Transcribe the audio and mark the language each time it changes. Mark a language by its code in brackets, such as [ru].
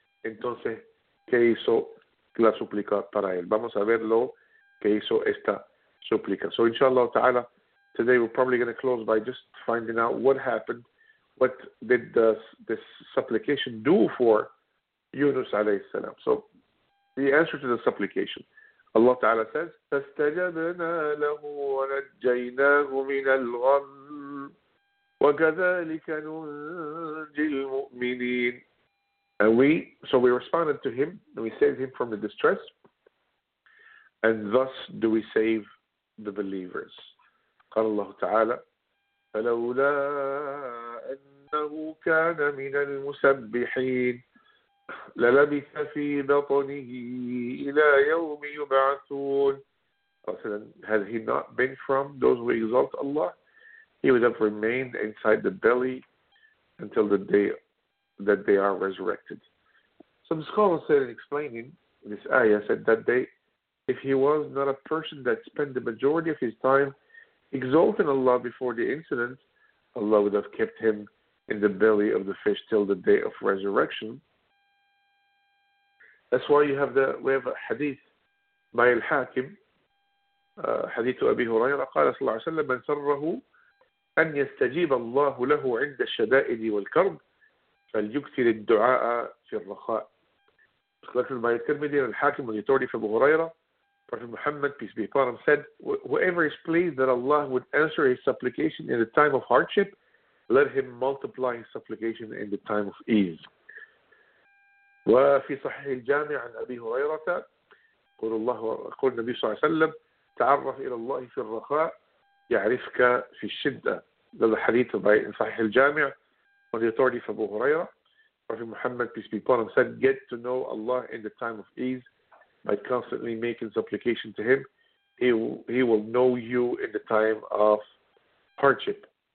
[es] Entonces, ¿qué hizo la súplica para él? Vamos a ver lo que hizo esta súplica. [en] So, inshallah ta'ala, today we're probably going to close by just finding out what happened. What did this supplication do for Yunus alayhi salam? So, the answer to the supplication. Allah ta'ala says, [ar] فَاسْتَجَبْنَا لَهُ وَنَجَّيْنَاهُ مِنَ الْغَمِّ وَكَذَلِكَ نُنْجِي الْمُؤْمِنِينَ. [en] And we responded to him, and we saved him from the distress, and thus do we save the believers. [ar] قال الله تعالى, فَلَوْلَا أَنَّهُ كَانَ مِنَ الْمُسَبِّحِينَ لَلَبِثَ فِي بَطْنِهِ إِلَى يَوْمِ يُبْعَثُونَ. [en] Had he not been from those who exalt Allah, he would have remained inside the belly until the day that they are resurrected. Some scholars said in explaining this ayah, said that day, if he was not a person that spent the majority of his time exalting Allah before the incident, Allah would have kept him in the belly of the fish till the day of resurrection. That's why we have a hadith by al-Hakim, hadith Abi Hurairah, [ar] قال صلى الله عليه وسلم من سره أن يستجيب الله له عند الشدائد والكرب فليكثر الدعاء في الرخاء. [en] Collected by Tirmidhi and al-Hakim with authority from Abu Huraira, Prophet Muhammad, peace be upon him, said, whoever is pleased that Allah would answer his supplication in the time of hardship, let him multiply his supplication in the time of ease. [ar] وفي صحيح الجامع عن أبي هريرة قول النبي صلى الله عليه وسلم, تعرف إلى الله في الرخاء يعرفك في الشدة. هذا حديث في صحيح الجامع وفي أثورتي في أبو هريرة وفي محمد [en] peace be upon him said get to know Allah in the time of ease by constantly making supplication to him. He will know you in the time of hardship.